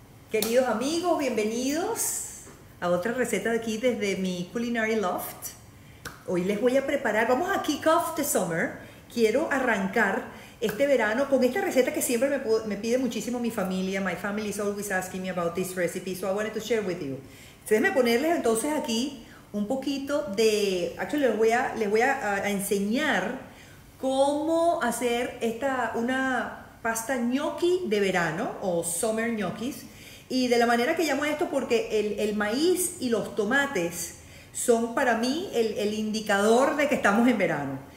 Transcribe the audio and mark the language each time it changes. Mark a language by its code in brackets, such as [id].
[es] Queridos amigos, bienvenidos a otra receta de aquí desde mi Culinary Loft. Hoy les voy a preparar, vamos a [en] kick off the summer. [es] Quiero arrancar este verano con esta receta que siempre me pide muchísimo mi familia. [en] My family is always asking me about this recipe, so I wanted to share with you. [es] Déjenme ponerles entonces aquí un poquito de... Actually, les voy a enseñar cómo hacer esta... una pasta gnocchi de verano o summer gnocchis, y de la manera que llamo esto porque el maíz y los tomates son para mí el indicador de que estamos en verano.